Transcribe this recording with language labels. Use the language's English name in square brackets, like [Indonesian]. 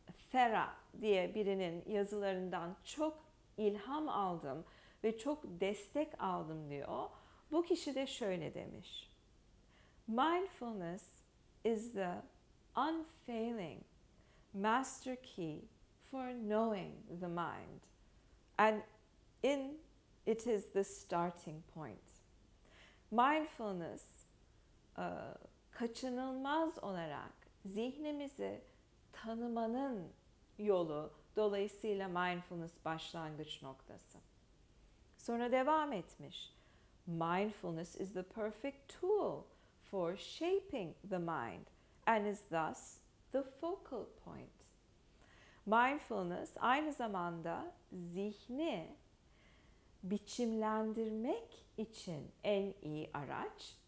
[Turkish] Thera diye birinin yazılarından çok ilham aldım ve çok destek aldım diyor. Bu kişi de şöyle demiş. [English] Mindfulness is the unfailing master key for knowing the mind. And in it is the starting point. [Turkish] Mindfulness kaçınılmaz olarak zihnimizi tanımanın yolu, dolayısıyla mindfulness başlangıç noktası. Sonra devam etmiş. [English] Mindfulness is the perfect tool for shaping the mind and is thus the focal point. [Turkish] Mindfulness aynı zamanda zihni biçimlendirmek için en iyi araç.